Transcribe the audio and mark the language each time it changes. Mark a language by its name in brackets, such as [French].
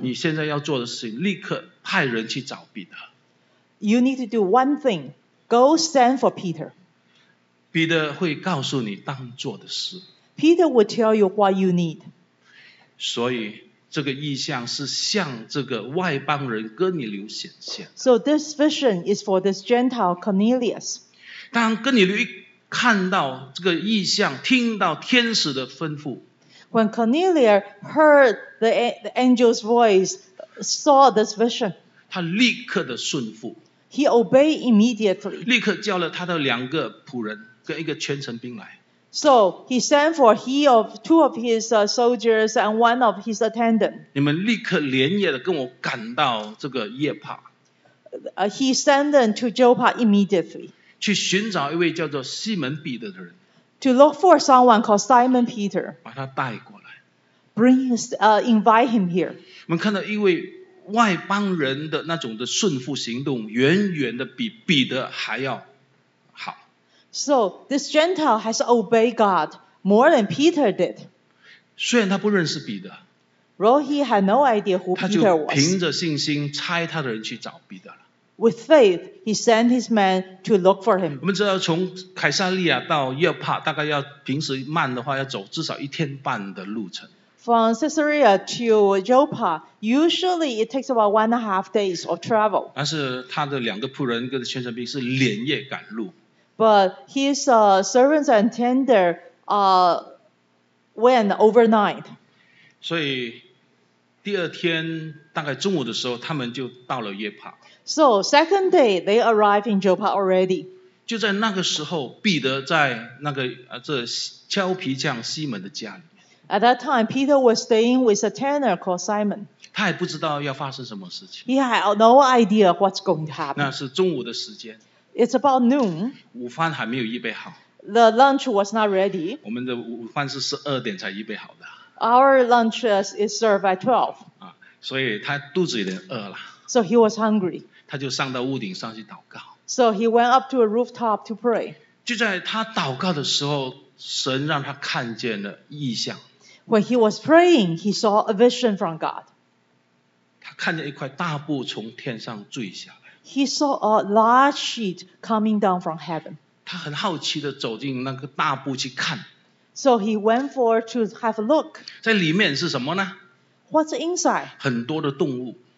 [Chinese] 你现在要做的事情，立刻派人去找彼得。 [English] You need to do one thing. Go send for Peter. [Chinese] 彼得会告诉你当做的事。 [English] Peter will tell you what you need. [Chinese] 所以这个意象是向这个外邦人哥尼流显现。 [English] So this vision is for this Gentile Cornelius. [Chinese] 当哥尼流看到这个意象，听到天使的吩咐。 [English] When Cornelius heard the angel's voice, saw this vision. [Chinese] 他立刻的顺服。 [English] He obeyed immediately. [Chinese] 立刻叫了他的两个仆人跟一个全城兵来。 [English] So he sent for two of his soldiers and one of his attendants. [Chinese] 你们立刻连夜的跟我赶到这个约帕。 [English] He sent them to Joppa immediately. [Chinese] 去寻找一位叫做西门彼得的人。 [English] To look for someone called Simon Peter. [Chinese] 把他带过来。 [English] Bring his, invite him here. [Chinese] 我们看到一位外邦人的那种的顺服行动，远远的比彼得还要。 [English] So this Gentile has obeyed God more than Peter did. [Chinese] 虽然他不认识彼得。 [English] Though he had no idea who Peter was. [Chinese] 他就凭着信心差他的人去找彼得了。 [English] With faith, he sent his man to look for him. [Chinese] 我们知道从凯撒利亚到约帕大概要平时慢的话要走至少一天半的路程。 [English] From Caesarea to Joppa, usually it takes about 1.5 days of travel. [Chinese] 但是他的两个仆人跟全城兵是连夜赶路。 [English] But his servants and tender went overnight. [Chinese] 所以第二天大概中午的时候，他们就到了约帕。 [English] So second day they arrived in Joppa already. [Chinese] 就在那个时候，彼得在那个这胶皮匠西门的家里。 [English] At that time, Peter was staying with a tanner called Simon. [Chinese] 他还不知道要发生什么事情。 [English] He had no idea what's going to happen. [Chinese] 那是中午的时间。 [English] It's about noon. [Chinese] 午饭还没有预备好。 [English] The lunch was not ready. [Chinese] 我们的午饭是12点才预备好的。 [English] Our lunch is served at 12. [Chinese] 啊，所以他肚子有点饿了。 [English] So he was hungry. [Chinese] 他就上到屋顶上去祷告。 [English] So he went up to a rooftop to pray. [Chinese] 就在他祷告的时候，神让他看见了异象。 [English] When he was praying, he saw a vision from God. [Chinese] 他看见一块大布从天上坠下来。 [English] He saw a large sheet coming down from heaven. [Chinese] 他很好奇地走进那个大布去看。 [English] So he went for to have a look. [Chinese] 在里面是什么呢？ [English] What's inside? [Chinese] 很多的动物。